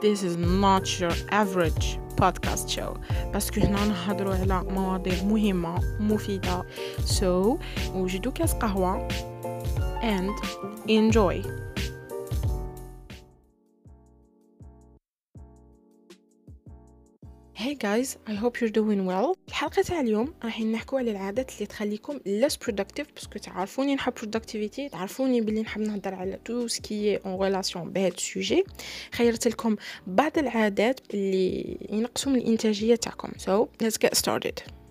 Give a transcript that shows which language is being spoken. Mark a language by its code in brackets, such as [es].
[en] This is not your average podcast show. [fr] Parce que nous parlons de [ar] مواضيع مهمة مفيدة. [en] So, [ar] وجدوا كاس قهوة [en] and enjoy. Hey guys, I hope you're doing well. [ar] الحلقة تاع اليوم راح نحكو على العادات اللي تخليكم [en] less productive [ar] باسكو تعرفوني نحب productivity, تعرفوني بلي نحب نهضر على [fr] tout ce qui est en relation [ar] بهذا السوجي. خيرت لكم بعض العادات اللي ينقصوا من الانتاجية تاعكم. [en] So, let's get started.